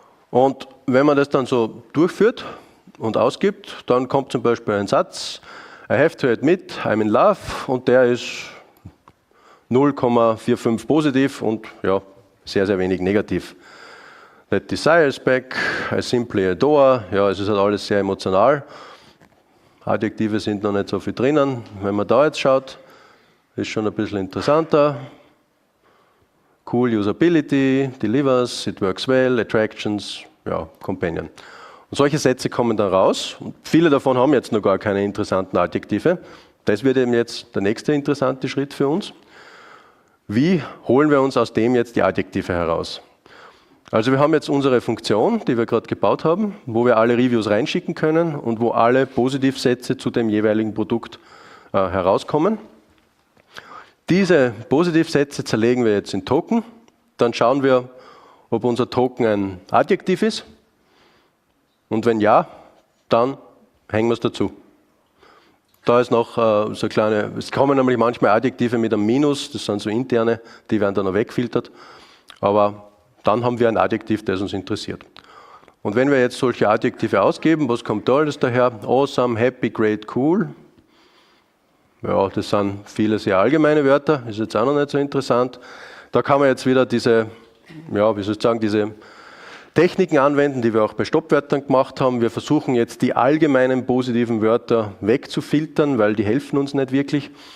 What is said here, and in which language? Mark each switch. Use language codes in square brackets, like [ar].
[de] Und wenn man das dann so durchführt, und ausgibt, dann kommt zum Beispiel ein Satz, [en] I have to admit, I'm in love [de] und der ist 0,45 positiv und ja, sehr, sehr wenig negativ. [en] That desire is back, I simply adore, [de] ja, es ist halt alles sehr emotional. Adjektive sind noch nicht so viel drinnen. Wenn man da jetzt schaut, ist schon ein bisschen interessanter. [en] Cool usability, delivers, it works well, attractions, ja, companion. [de] Und solche Sätze kommen dann raus. Und viele davon haben jetzt noch gar keine interessanten Adjektive. Das wird eben jetzt der nächste interessante Schritt für uns. Wie holen wir uns aus dem jetzt die Adjektive heraus? Also wir haben jetzt unsere Funktion, die wir gerade gebaut haben, wo wir alle Reviews reinschicken können und wo alle Positivsätze zu dem jeweiligen Produkt herauskommen. Diese Positivsätze zerlegen wir jetzt in Token. Dann schauen wir, ob unser Token ein Adjektiv ist. Und wenn ja, dann hängen wir es dazu. Da ist noch so kleine, es kommen nämlich manchmal Adjektive mit einem Minus, das sind so interne, die werden dann noch weggefiltert. Aber dann haben wir ein Adjektiv, das uns interessiert. Und wenn wir jetzt solche Adjektive ausgeben, was kommt da alles daher? [en] Awesome, happy, great, cool. [de] Ja, das sind viele sehr allgemeine Wörter, ist jetzt auch noch nicht so interessant. Da kann man jetzt wieder diese, ja, wie soll ich sagen, diese Techniken anwenden, die wir auch bei Stoppwörtern gemacht haben. Wir versuchen jetzt die allgemeinen positiven Wörter wegzufiltern, weil die helfen uns nicht wirklich.